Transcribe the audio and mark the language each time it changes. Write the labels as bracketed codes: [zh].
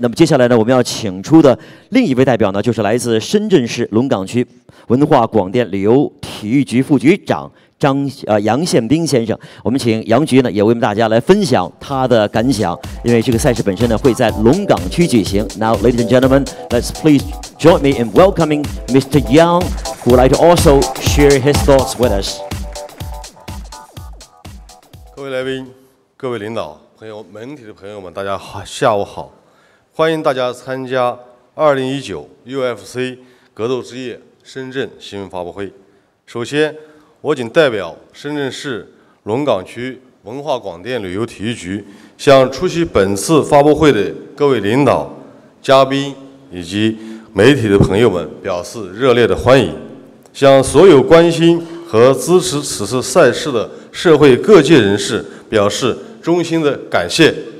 [zh] 那么接下来呢，我们要请出的另一位代表呢，就是来自深圳市龙岗区文化广电旅游体育局副局长杨宪斌先生。我们请杨局呢也为大家来分享他的感想，因为这个赛事本身呢会在龙岗区举行。 [en] Now ladies and gentlemen, let's please join me in welcoming Mr. Yang, who would like to also share his thoughts with us. [zh] 各位来宾、各位领导、朋友、媒体的朋友们，大家好，下午好，欢迎大家参加2019 UFC 格斗之夜深圳新闻发布会。首先，我谨代表深圳市龙岗区文化广电旅游体育局，向出席本次发布会的各位领导、嘉宾以及媒体的朋友们表示热烈的欢迎，向所有关心和支持此次赛事的社会各界人士表示衷心的感谢。